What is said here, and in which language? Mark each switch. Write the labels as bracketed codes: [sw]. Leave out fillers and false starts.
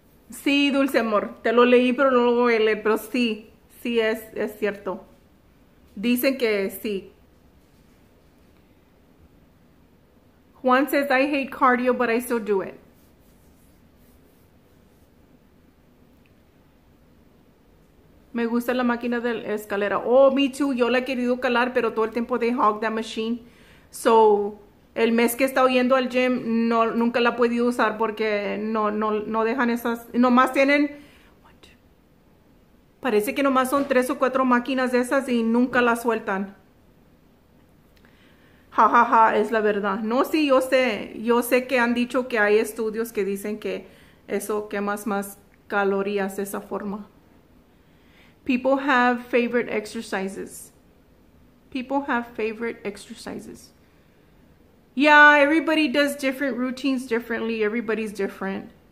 [es] Sí, dulce amor, te lo leí pero no lo voy a leer, pero sí, sí es cierto. Dicen que sí. [en] Juan says, I hate cardio, but I still do it. [es] Me gusta la máquina de la escalera. Oh, me too. Yo la he querido calar, pero todo el tiempo they hog that machine. So, el mes que he estado yendo al gym, no, nunca la he podido usar porque no, no, no dejan esas. Nomás tienen. Parece que nomás son 3 o 4 máquinas de esas y nunca la sueltan. Ja, ja, ja, es la verdad. No, sí, yo sé que han dicho que hay estudios que dicen que eso quemas más calorías de esa forma. [en] People have favorite exercises. People have favorite exercises. Yeah, everybody does different routines differently. Everybody's different.